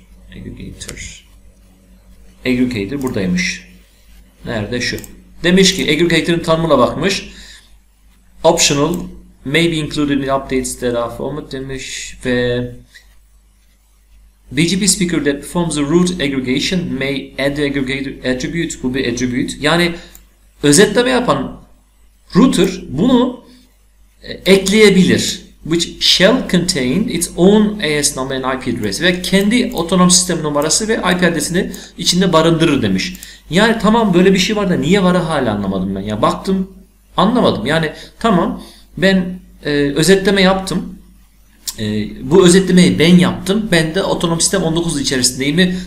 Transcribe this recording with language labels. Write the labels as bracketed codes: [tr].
[tr] Aggregator. Aggregator buradaymış. Nerede? Şu. Demiş ki Aggregator'ın tanımına bakmış. Optional. [en] Maybe included in updates that are formatted [tr] demiş. [en] Ve BGP speaker that performs a root aggregation may add the aggregator attribute. [tr] Bu bir attribute. Yani özetleme yapan router bunu ekleyebilir. [en] Which shall contain its own AS number and IP address. [tr] Ve kendi otonom sistem numarası ve IP adresini içinde barındırır demiş. Yani tamam böyle bir şey var da niye var hala anlamadım ben. Ya baktım anlamadım. Yani tamam ben özetleme yaptım. Bu özetlemeyi ben yaptım. Ben de otonom sistem 19 içerisindeyim.